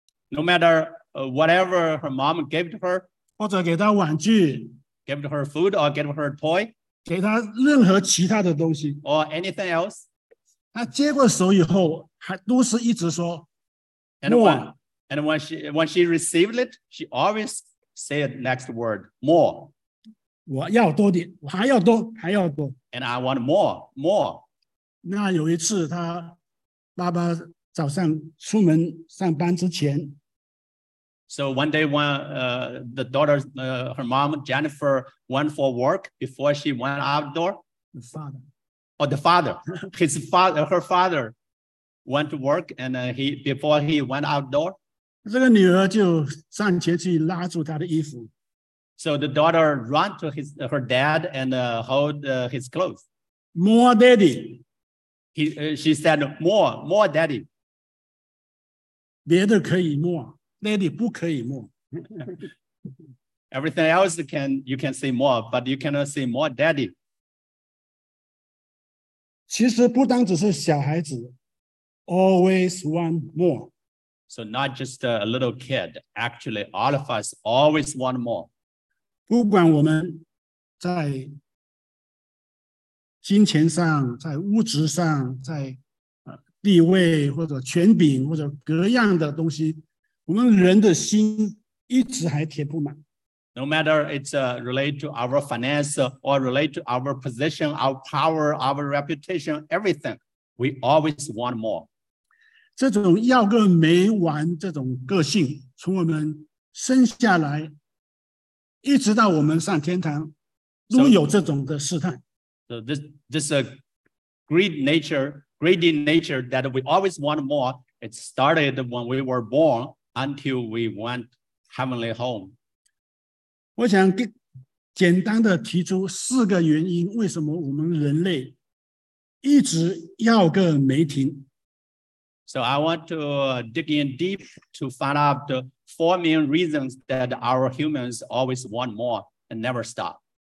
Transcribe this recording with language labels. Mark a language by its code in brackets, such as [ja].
[en] No matter whatever her mom gave to her. [zh] 或者给她玩具。 [en] Gave to her food or gave her a toy. [zh] 给他任何其他的东西 [en] or anything else， [zh] 他接过手以后还都是一直说 [en] and when she received it， she always said next word more， [zh] 我要多点，我还要多，还要多， [en] and I want more。 [zh] 那有一次他爸爸早上出门上班之前， [en] so one day when the daughter her mom Jennifer went for work before she went outdoor. The father. Oh, the father. His father, her father went to work and before he went outdoor. [zh] 这个女儿就上前去拉住她的衣服。 [en] So the daughter ran to her dad and hold his clothes. More daddy. She said, more daddy. [zh] 别的可以 more, daddy 不可以 more. [en] Everything else you can say more, but you cannot say more daddy. [zh] 其实不单只是小孩子， [en] always want more. So not just a little kid, actually all of us always want more. [zh] 不管我们在金钱上，在物质上，在地位或者权柄或者各样的东西，我们人的心一直还填不满。 [en] No matter it's related to our finance or related to our position, our power, our reputation, everything, we always want more. [zh] 这种要个没完这种个性，从我们生下来一直到我们上天堂都有这种的试探。 [en] So this greed nature greedy nature that we always want more. It started when we were born until we went heavenly home. [zh] 我想简单的提出四个原因，为什么我们人类一直要个没停。 [en] So I want to dig in deep to find out the four main reasons that our humans always want more and never stop.